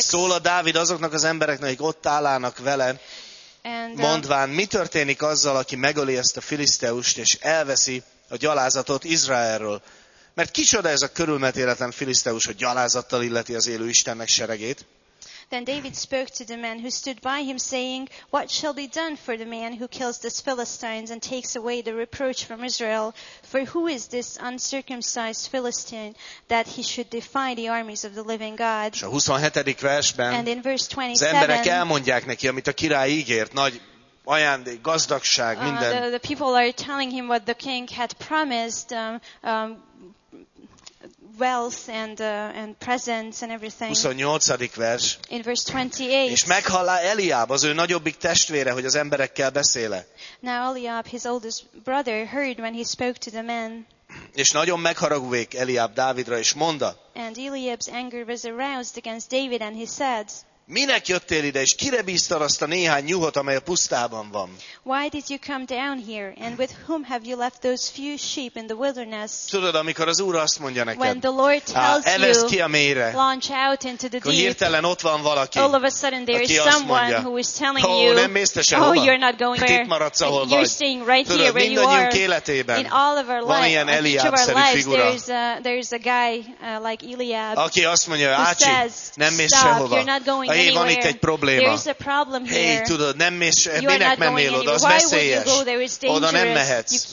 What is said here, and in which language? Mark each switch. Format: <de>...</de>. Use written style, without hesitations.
<hu>Szól a Dávid azoknak az embereknek, akik ott állának vele. Mondván, mi történik azzal, aki megöli ezt a filiszteust, és elveszi a gyalázatot Izraelről? Mert kicsoda ez a körülmetéletlen filiszteus, hogy gyalázattal illeti az élő Istennek seregét?</hu> <en>Then David spoke to the man who stood by him, saying, what shall be done for the man who kills this Philistines and takes away the reproach from Israel? For who is this uncircumcised Philistine that he should defy the armies of the living God?</en> <hu>És a 27. versben</hu> <en>and in verse 27,</en> <hu>az emberek elmondják neki, amit a király ígért, nagy ajándék, gazdagság, minden.</hu> <en>The people are telling him what the king had promised, wealth and presence and everything.</en> <hu>28. vers.</hu> <en>In verse 28.</en> <hu>És meghallá Eliáb, az ő nagyobbik testvére, hogy az emberekkel beszéle.</hu> <en>Now Eliab, his oldest brother, heard when he spoke to the men.</en> <hu>És nagyon megharagvék Eliáb Dávidra, és mondta.</hu> <en>And Eliab's anger was aroused against David, and he said,</en> <hu>minek jöttél ide, és kire bíztad azt a néhány nyuhot, amely a pusztában van?</hu> <en>Why did you come down here, and with whom have you left those few sheep in the wilderness?</en> <hu>Tudod, amikor az Úr azt mondja neked,</hu> <en>when the Lord tells you,</en> <hu>evesz ki a mélyre,</hu> <en>launch out into the deep,</en> <hu>hirtelen ott van valaki,</hu> <en>all of a sudden there is someone who is telling you,</en> <hu>nem mész te sehova,</hu> <en>you're not going where,</en> <hu>itt maradsz, ahol vagy.</hu> <en>You're staying right here where you are.</en> <hu>Mindannyiunk életében</hu> <en>in all of our lives,</en> <hu>van ilyen Eliab-szerű figura,</hu> <en>there's a guy like Eliab,</en> <hu>aki azt mondja, Ácsi, nem mész</hu> <en>stop,</en> <hu>sehova.</hu> <en>You're not going</en> <hu>hé, van itt egy probléma.</hu> <en>Problem</en> <hu>hé, tudod, nem mész, minek mennél oda, az</hu> <en>why</en> <hu>veszélyes. Oda nem mehetsz.</hu>